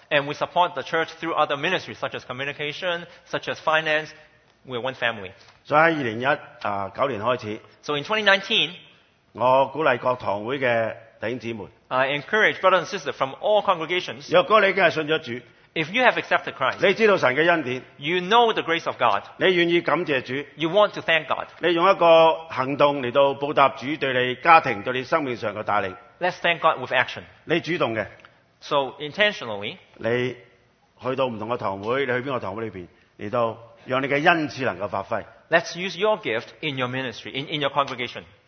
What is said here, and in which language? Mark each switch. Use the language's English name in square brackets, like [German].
[English] And we support the church through other ministries such as communication, such as finance. We're one family. [Chinese] 所以在2019年開始, [English] so in 2019, [Chinese] 我鼓勵各堂會的弟兄姊妹, [English] I encourage brothers and sisters from all congregations, [Chinese] 若果你已經信了主, [English] if you have accepted Christ, [Chinese] 你知道神的恩典, [English] you know the grace of God, [Chinese] 你願意感謝主, [English] you want to thank God, [Chinese] 你用一個行動來報答主對你家庭, 對你生命上的帶領, [English] let's thank God with action. [Chinese] 你主動的, [English] so intentionally, [Chinese] 你去到不同的堂會, 你去哪個堂會裡面, 讓你的恩賜能夠發揮。 [English] Let's use your gift in your ministry, in your congregation.